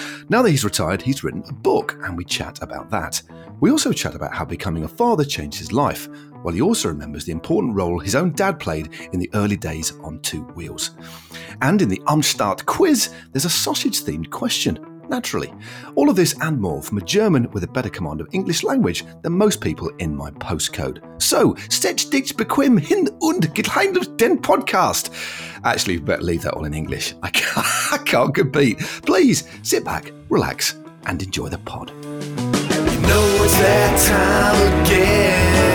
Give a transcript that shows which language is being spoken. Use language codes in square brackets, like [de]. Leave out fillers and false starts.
[en] Now that he's retired, he's written a book, and we chat about that. We also chat about how becoming a father changed his life, while he also remembers the important role his own dad played in the early days on two wheels. And in the Amstart quiz, there's a sausage-themed question, naturally. All of this and more from a German with a better command of English language than most people in my postcode. [de] So, setz dich bequem hin und geht den Podcast. [en] Actually, you better leave that all in English. I can't compete. Please, sit back, relax, and enjoy the pod. You know it's that time again.